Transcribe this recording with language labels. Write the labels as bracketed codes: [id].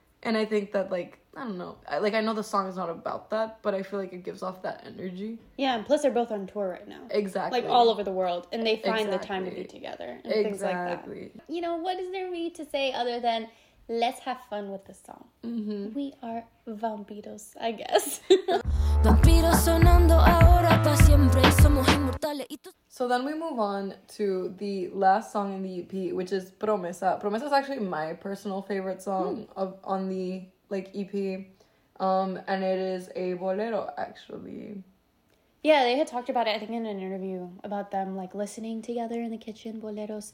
[en] And I think that, like, I don't know. I know the song is not about that, but I feel like it gives off that energy. Yeah, and plus they're both on tour right now. Exactly. Like, all over the world, and they find the time to be together and things like that. You know, what is there for me to say other than, let's have fun with the song? Mm-hmm. We are Vampiros, I guess. [es] Vampiros sonando ahora pa siempre, somos inmortales. [en] So then we move on to the last song in the EP, which is Promesa. Promesa is actually my personal favorite song on the, like, EP, and it is a bolero, actually. Yeah, they had talked about it, I think, in an interview, about them, like, listening together in the kitchen, boleros.